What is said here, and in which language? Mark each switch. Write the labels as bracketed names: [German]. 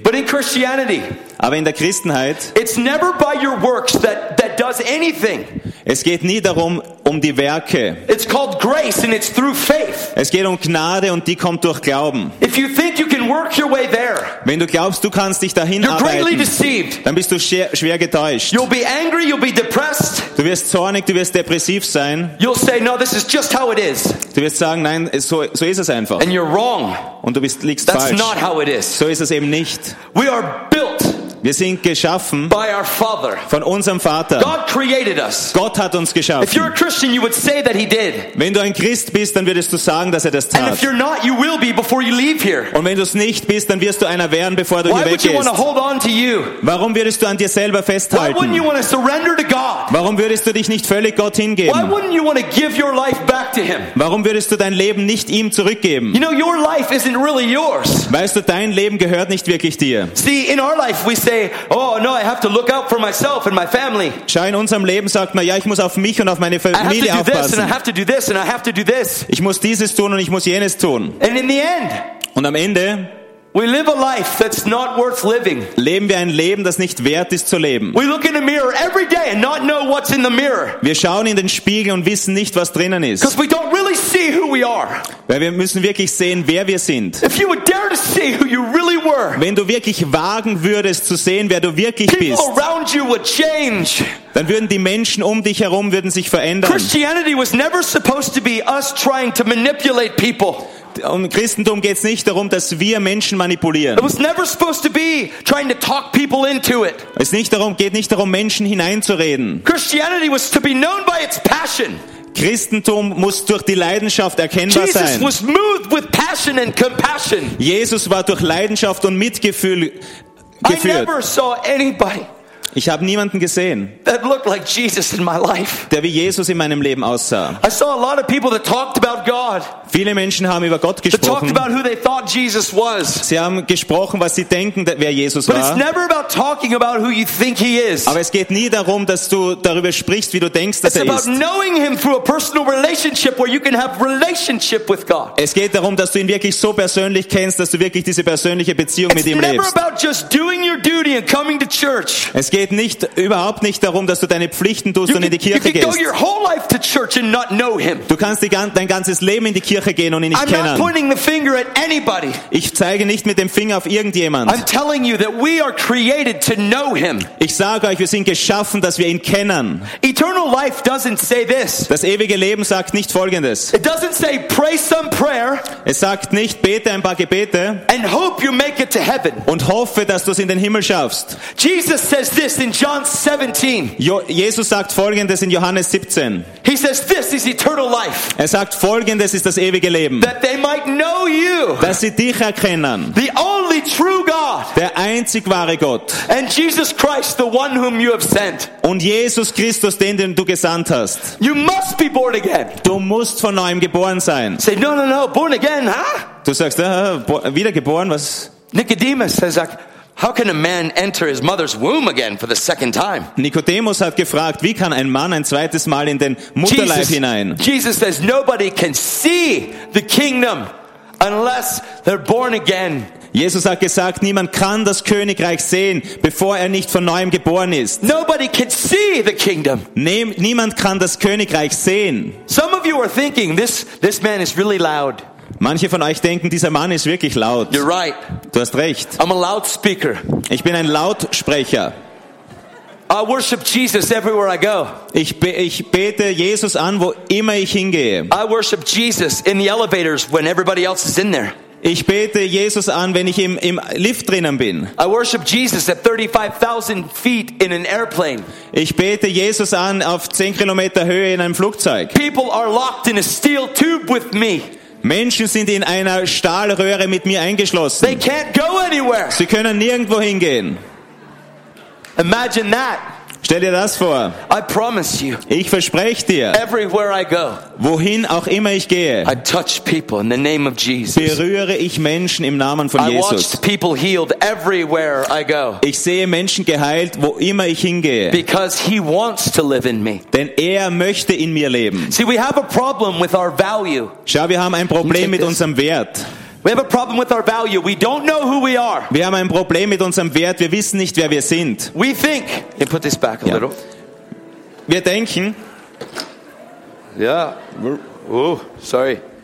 [English] But in Christianity. [German] Aber in der Christenheit. [English] It's never by your works that does anything. [German] Es geht nie darum um die Werke. [English] It's called grace and it's through faith. [German] Es geht um Gnade und die kommt durch Glauben. [English] If you think you can work your way there. [German] Wenn du glaubst, du kannst dich dahin arbeiten. [English] You're greatly deceived. [German] Dann bist du schwer getäuscht. [English] You'll be angry, you'll be depressed. [German] Du wirst zornig, du wirst depressiv sein. [English] You'll say no, this is just how it is. [German] Du wirst sagen, nein, so ist es einfach. [English] And you're wrong. [German] Und du liegst [English] That's [German] falsch. [English] That's not how it is. [German] So ist es eben nicht. [English] We are built. [German] Wir sind geschaffen [English] by our Father. [German] Von unserem Vater. [English] God created us. [German] Gott hat uns geschaffen. [English] If you're a Christian, you would say that he did. [German] Wenn du ein Christ bist, dann würdest du sagen, dass er das tat. [English] And if you're not, you will be before you leave here. [German] Und wenn du es nicht bist, dann wirst du einer werden, bevor du [English] Why [German] hier weggehst. [English] Why would you want to hold on to you? [German] Warum würdest du an dir selber festhalten? [English] Why wouldn't you want to surrender to God? [German] Warum würdest du dich nicht völlig Gott hingeben? [English] Why wouldn't you want to give your life back to him? [German] Warum würdest du dein Leben nicht ihm zurückgeben? [English] You know, your life isn't really yours. [German] Weißt du, dein Leben gehört nicht wirklich dir. [English] See, in our life we say, oh no, I have to look out for myself and my family. [German] Schau, in unserem Leben sagt man, ja, ich muss auf mich und auf meine Familie aufpassen. [English] I have to do this and I have to do this. [German] Ich muss dieses tun und ich muss jenes tun. [English] And in the end, [German] und am Ende, [English] we live a life that's not worth living. [German] Leben wir ein Leben, das nicht wert ist zu leben. [English] We look in the mirror every day and not know what's in the mirror. [German] Wir schauen in den Spiegel und wissen nicht, was drinnen ist. [English] Because we don't really see who we are. [German] Weil wir müssen wirklich sehen, wer wir sind. [English] If you would dare to see who you really were. [German] Wenn du wirklich wagen würdest zu sehen, wer du wirklich [English] People [German] bist. [English] People around you would change. [German] Dann würden die Menschen um dich herum würden sich verändern. [English] Christianity was never supposed to be us trying to manipulate people. [German] Um Christentum geht es nicht darum, dass wir Menschen manipulieren. [English] It was never supposed to be trying to talk people into it. [German] Es nicht darum, geht nicht darum, Menschen hineinzureden. [English] Christianity was to be known by its passion. [German] Christentum muss durch die Leidenschaft erkennbar [English] Jesus [German] sein. [English] Was moved with passion and compassion. [German] Jesus war durch Leidenschaft und Mitgefühl geführt. [English] I never saw anybody. [German] Ich habe niemanden gesehen, [English] that looked like Jesus in my life. [German] Der wie Jesus in meinem Leben aussah. [English] I saw a lot of people that talked about God. [German] Viele Menschen haben über Gott gesprochen. [English] They talked about who they thought Jesus was. [German] Sie haben gesprochen, was sie denken, wer Jesus [English] But [German] war. [English] But it's never about talking about who you think he is. [German] Aber es geht nie darum, dass du darüber sprichst, wie du denkst, dass [English] it's [German] er ist. [English] It's about knowing him through a personal relationship where you can have relationship with God. [German] Es geht darum, dass du ihn wirklich so persönlich kennst, dass du wirklich diese persönliche Beziehung [English] it's [German] mit ihm lebst. [English] It's never about just doing your duty and coming to church. [German] Es geht nicht überhaupt nicht darum, dass du deine Pflichten tust [English] you [German] und in die Kirche [English] can, [German] gehst. [English] Go your whole life to church and not know him. [German] Du kannst dein ganzes Leben in die Kirche gehen und ihn nicht [English] I'm [German] kennen. [English] Not pointing the finger at anybody. [German] Ich zeige nicht mit dem Finger auf irgendjemand. [English] I'm telling you that we are created to know him. [German] Ich sage euch, wir sind geschaffen, dass wir ihn kennen. [English] Eternal life doesn't say this. [German] Das ewige Leben sagt nicht Folgendes. [English] It doesn't say pray some prayer. [German] Es sagt nicht bete ein paar Gebete. [English] And hope you make it to heaven. [German] Und hoffe, dass du es in den Himmel schaffst. [English] Jesus says this in John 17. [German] Jesus sagt Folgendes in Johannes 17. [English] He says this is eternal life. [German] Er sagt Folgendes ist das ewige Leben. [English] That they might know you, [German] dass sie dich erkennen, [English] the only true God, [German] der einzig wahre Gott, [English] and Jesus Christ, the one whom you have sent, [German] und Jesus Christus, den du gesandt hast. [English] You must be born again. [German] Du musst von neuem geboren sein. [English] Say no, no, no, born again, huh? [German] Du sagst, wiedergeboren, was? [English] Nicodemus says, like, how can a man enter his mother's womb again for the second time? [German] Nikodemus hat gefragt, wie kann ein Mann ein zweites Mal in den Mutterleib [English] Jesus, [German] hinein? [English] Jesus says nobody can see the kingdom unless they're born again. [German] Jesus hat gesagt, niemand kann das Königreich sehen, bevor er nicht von neuem geboren ist. [English] Nobody can see the kingdom. [German] Niemand kann das Königreich sehen. [English] Some of you are thinking this man is really loud. [German] Manche von euch denken, dieser Mann ist wirklich laut. [English] You're right. [German] Du hast recht. [English] I'm a loudspeaker. [German] Ich bin ein Lautsprecher. [English] I worship Jesus everywhere I go. [German] Ich bete Jesus an, wo immer ich hingehe. [English] I worship Jesus in the elevators when everybody else is in there. [German] Ich bete Jesus an, wenn ich im Lift drinnen bin. [English] I worship Jesus at 35,000 feet in an airplane. [German] Ich bete Jesus an auf 10 Kilometer Höhe in einem Flugzeug. [English] People are locked in a steel tube with me. [German] Menschen sind in einer Stahlröhre mit mir eingeschlossen. [English] They can't go anywhere. [German] Sie können nirgendwo hingehen. [English] Imagine that. [German] Stell dir das vor. [English] I promise you, [German] ich verspreche dir, [English] everywhere I go, [German] wohin auch immer ich gehe, [English] I touch people in the name of Jesus. [German] Berühre ich Menschen im Namen von Jesus. [English] I watched people healed everywhere I go. [German] Ich sehe Menschen geheilt, wo immer ich hingehe. [English] Because he wants to live in me. [German] Denn er möchte in mir leben. [English] See, we have a problem with our value. [German] Schau, wir haben ein Problem mit unserem Wert. [English] We have a problem with our value. We don't know who we are. [German] Wir haben ein Problem mit unserem Wert. Wir wissen nicht, wer wir sind. [English] We think. You put this back a yeah. little. [German] Wir denken. [English] Yeah. Oh, sorry.